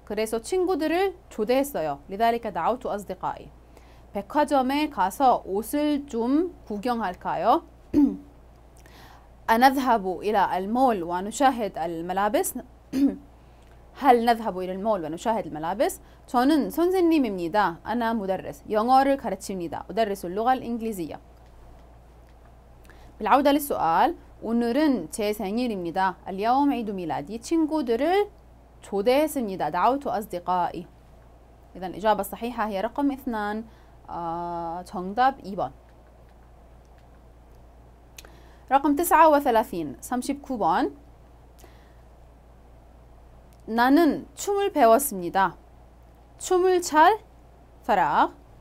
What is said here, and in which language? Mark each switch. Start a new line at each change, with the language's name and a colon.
Korean: 그래서 친구들을 초대했어요.
Arabic: لذلك دعوت أصدقائي.
Korean: 백화점에 가서 옷을 좀 구경할까요?
Arabic: أنذهب إلى المول ونشاهد الملابس. هل نذهب إلى المول ونشاهد الملابس؟
Korean: 저는 선생님입니다.
Arabic: أنا مدرس.
Korean: 영어를 가르칩니다.
Arabic: أدرس اللغة الإنجليزية. بالعودة للسؤال
Korean: 오늘은 제 생일입니다.
Arabic: اليوم عيد ميلادي.
Korean: 친구들을 초대했습니다.
Arabic: دعوت أصدقائي. إذا الإجابة الصحيحة هي رقم 2.
Korean: 정답 2번.
Arabic: رقم 39. 39번.
Korean: 나는 춤을 배웠습니다. 춤을 잘 فراغ.